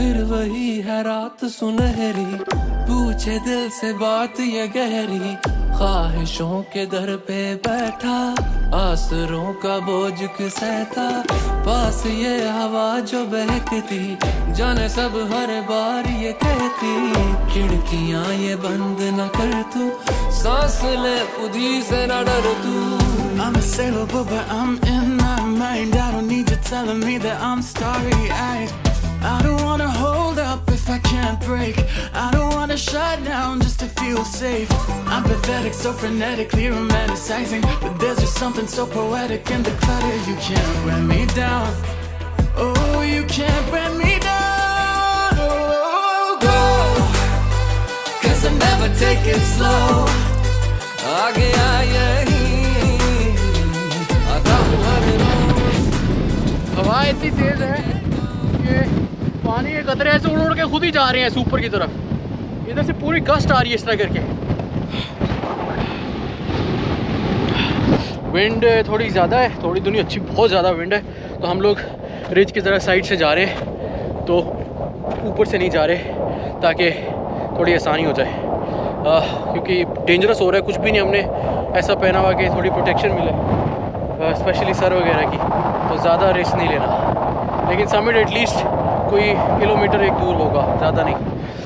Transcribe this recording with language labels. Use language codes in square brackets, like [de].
[hi] रात सुनहरी पूछे दिल से बात ये गहरी, ख्वाहिशों के दर पे बैठा आसरों का बोझ सहता, पास ये हवा जो बहकती जाने सब हर बार ये कहती, खिड़कियां ये बंद न कर तू सांस ले खुदी से न डर तू। [en] I'm a sailor but I'm in my mind, I don't need you telling me that I'm starry eyed, I don't wanna hold up if I can't break, I don't wanna shut down just to feel safe, I'm pathetic, so frenetically romanticizing, but there's just something so poetic in the clutter. You can't wear me down, oh, you can't wear me down, oh, go, cause I'm never taking slow, I got what it owes. Hawaii is this day, eh? [hi] पानी के कतरे ऐसे उड़ उड़ के खुद ही जा रहे हैं ऊपर की तरफ, इधर से पूरी गस्ट आ रही है इस तरह करके, विंड थोड़ी ज़्यादा है, थोड़ी दुनिया अच्छी बहुत ज़्यादा विंड है, तो हम लोग रिज की तरह साइड से जा रहे हैं तो ऊपर से नहीं जा रहे ताकि थोड़ी आसानी हो जाए, क्योंकि डेंजरस हो रहा है, कुछ भी नहीं हमने ऐसा पहना हुआ कि थोड़ी प्रोटेक्शन मिले स्पेशली सर वगैरह की, तो ज़्यादा रिस्क नहीं लेना, लेकिन समिट एटलीस्ट कोई किलोमीटर एक दूर होगा, ज़्यादा नहीं।